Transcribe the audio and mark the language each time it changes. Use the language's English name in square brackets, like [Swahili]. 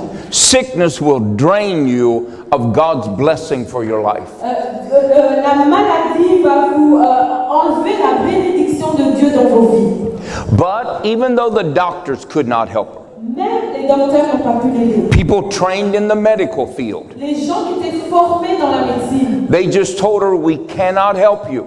[English] Sickness will drain you of God's blessing for your life. But even though the doctors could not help her, [French] Même les docteurs n'ont pas pu l'aider. [English] People trained in the medical field. [French] Les gens qui étaient formés dans la médecine. [English] They just told her, we cannot help you.